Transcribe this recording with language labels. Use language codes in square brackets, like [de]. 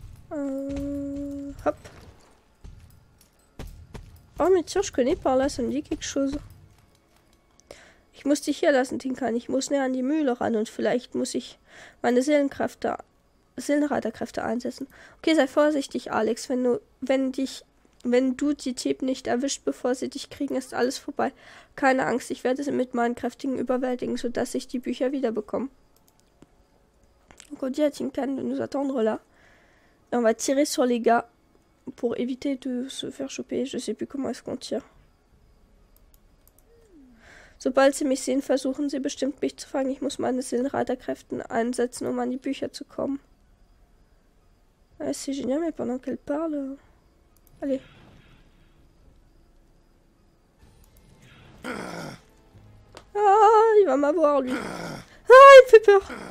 [fr] Hop. Oh mais tiens, je connais par là, ça me dit quelque chose. [de] Ich muss dich hier lassen, Tinkan. Ich muss näher an die Mühle ran und vielleicht muss ich meine Seelenreiterkräfte einsetzen. Okay, sei vorsichtig, Alex, wenn du die Tip nicht erwischt, bevor sie dich kriegen, ist alles vorbei. Keine Angst, ich werde sie mit meinen Kräftigen überwältigen, sodass ich die Bücher wiederbekomme. [fr] Donc on dit à Tinkan de nous attendre là. Et on va tirer sur les gars pour éviter de se faire choper. Je sais plus comment est-ce qu'on tire. [de] Sobald sie mich sehen, versuchen sie bestimmt mich zu fangen. Ich muss meine Seelenreiterkräfte einsetzen, um an die Bücher zu kommen. [fr] C'est génial, mais pendant qu'elle parle... Allez. Ah, il va m'avoir lui. Ah, il me fait peur.